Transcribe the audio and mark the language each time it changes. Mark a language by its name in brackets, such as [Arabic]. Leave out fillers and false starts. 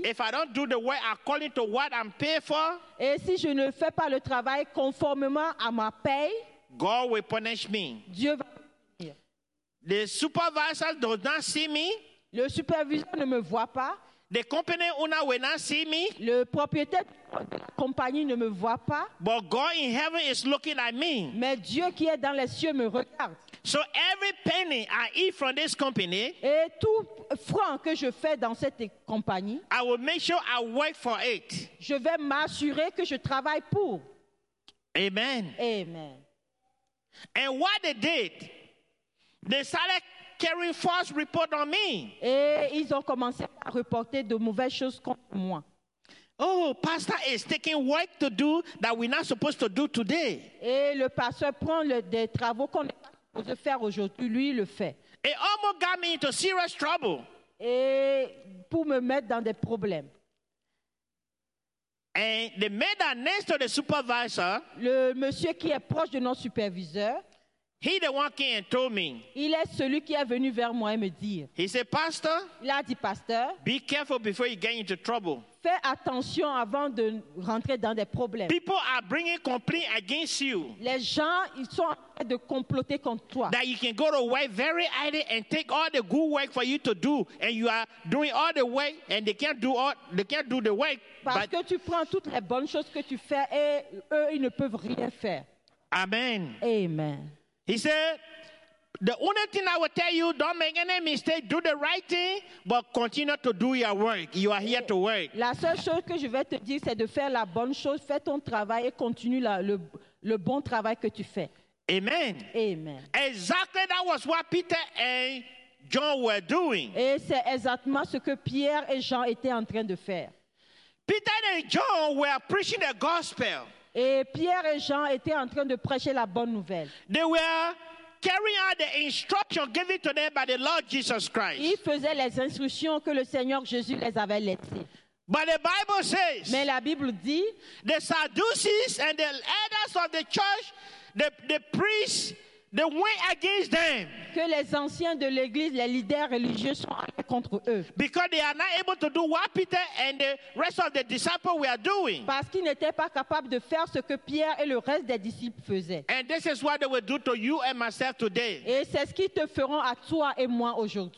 [English] If I don't do the work according to what I'm paid for, [French] et si je ne fais pas le travail conformément à ma paye, [English] God will punish me. [French] Dieu va. [English] The supervisor does not see me. [French] Le superviseur ne me voit pas. [English] The company owner will not see me. [French] Le propriétaire de la compagnie ne me voit pas. [English] But God in heaven is looking at me. [French] Mais Dieu qui est dans les cieux me regarde. [English] So every penny I eat from this company, [French] et tout franc que je fais dans cette compagnie, [English] I will make sure I work for it. [French] Je vais m'assurer que je travaille pour. Amen. Amen. [English] And what they did, they started carrying false reports on me. [French] Et ils ont commencé à reporter de mauvaises choses contre moi. [English] Oh, pastor is taking work to do that we're not supposed to do today. [French] Et le pasteur prend des travaux qu'on n'est pas supposé faire aujourd'hui, lui il le fait. [English] It almost got me into serious trouble. [French] Et pour me mettre dans des problèmes. [English] And the man that next to the supervisor, [French] le monsieur qui est proche de notre superviseur, [English] he the one came and told me. [French] Il est celui qui est venu vers moi et me dire. [English] He said, pastor. [French] Il a dit, pasteur. [English] Be careful before you get into trouble. [French] Fais attention avant de rentrer dans des problèmes. [English] People are bringing complaints against you. [French] Les gens, ils sont en train de comploter contre toi. [English] That you can go to work very early and take all the good work for you to do, and you are doing all the work, and they can't do the work. [French] Parce que tu prends toutes les bonnes choses que tu fais et eux, ils ne peuvent rien faire. Amen. Amen. [English] He said, the only thing I will tell you, don't make any mistake, do the right thing, but continue to do your work. You are here to work. [French] La seule chose que je vais te dire, c'est de faire la bonne chose, fais ton travail et continue le bon travail que tu fais. Amen. Amen. [English] Exactly, that was what Peter and John were doing. [French] Et c'est exactement ce que Pierre et Jean étaient en train de faire. [English] Peter and John were preaching the gospel. [French] Et Pierre et Jean étaient en train de prêcher la bonne nouvelle. [English] They were carrying out the instructions given to them by the Lord Jesus Christ. [French] Ils faisaient les instructions que le Seigneur Jésus les avait laissées. [English] But the Bible says. [French] Mais la Bible dit. [English] The Sadducees and the elders of the church, the priests, they went against them. [French] Que les anciens de l'église, les leaders religieux sont allés contre eux. [English] Because they are not able to do what Peter and the rest of the disciples were doing. [French] Parce qu'ils n'étaient pas capables de faire ce que Pierre et le reste des disciples faisaient. [English] And this is what they will do to you and myself today. [French] Et c'est ce qu'ils te feront à toi et moi aujourd'hui.